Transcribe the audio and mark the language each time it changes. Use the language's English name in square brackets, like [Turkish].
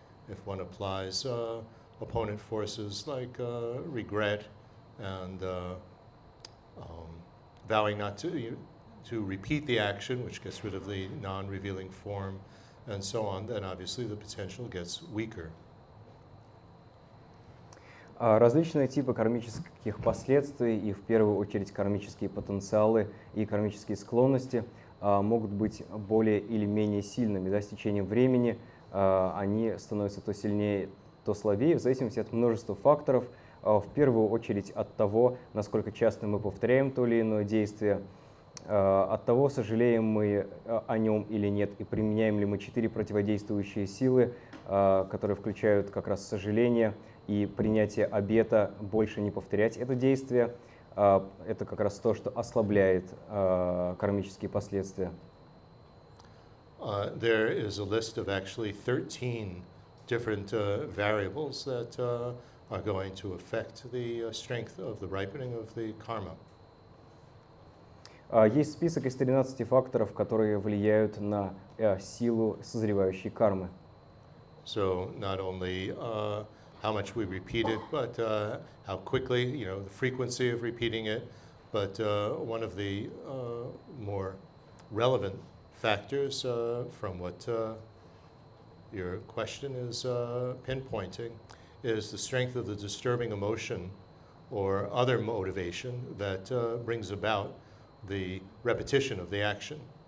[English] If one applies opponent forces like regret and vowing not to repeat the action, which gets rid of the non-revealing form and so on, then obviously the potential gets weaker. [Russian] Различные типы кармических последствий и, в первую очередь, кармические потенциалы и кармические склонности могут быть более или менее сильными. Да, с течением времени они становятся то сильнее, то слабее, в зависимости от множества факторов, в первую очередь от того, насколько часто мы повторяем то или иное действие, от того, сожалеем мы о нем или нет, и применяем ли мы четыре противодействующие силы, которые включают как раз сожаление и принятие обета больше не повторять это действие. Это как раз то, что ослабляет кармические последствия. [English] There is a list of actually 13 different variables that are going to affect the strength of the ripening of the karma. [Russian] Есть список из 13 факторов, которые влияют на силу созревающей кармы. [English] So not only how much we repeat it, but how quickly, you know, the frequency of repeating it, but one of the more relevant factors from what your question is pinpointing is the strength of the disturbing emotion or other motivation that brings about the repetition of the action.